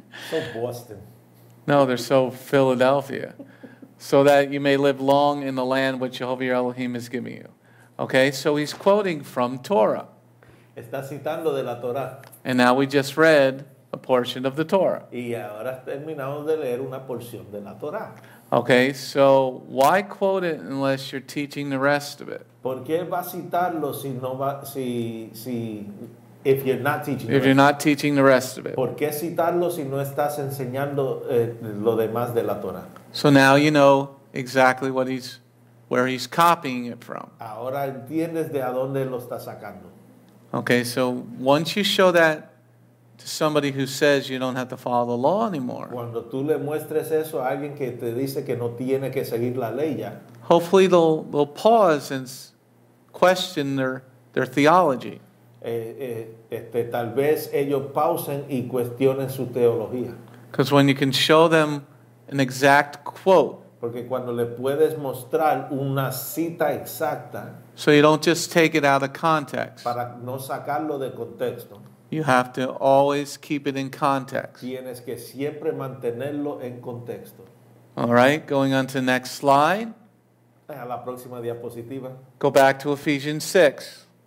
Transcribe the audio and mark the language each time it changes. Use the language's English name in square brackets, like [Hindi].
[English] So Boston. No, they're so Philadelphia. So that you may live long in the land which Jehovah your Elohim is giving you. Okay, so he's quoting from Torah. [Spanish] Está citando de la Torah. [English] And now we just read a portion of the Torah. [Spanish] Y ahora terminamos de leer una porción de la Torah. [English] Okay, so why quote it unless you're teaching the rest of it? [Spanish] ¿Por qué va a citarlo si no va, si [English] if you're not teaching? If you're not teaching the rest of it. [Spanish] ¿Por qué citarlo si no estás enseñando lo demás de la Torah? [English] So now you know exactly what he's. Where he's copying it from. [Spanish] Ahora entiendes de a dónde lo está sacando. [English] Okay, so once you show that to somebody who says you don't have to follow the law anymore. [Spanish] Cuando tú le muestres eso a alguien que te dice que no tiene que seguir la ley ya. [English] Hopefully they'll pause and question their theology. [Spanish] Tal vez ellos pausen y cuestionen su teología. [English] Because when you can show them an exact quote. [Spanish] Porque cuando le puedes mostrar una cita exacta. [English] So you don't just take it out of context. [Spanish] Para no sacarlo de contexto. [English] You have to always keep it in context. [Spanish] Tienes que siempre mantenerlo en contexto. [English] All right, going on to the next slide. [Spanish] A la próxima diapositiva. [English] Go back to Ephesians 6.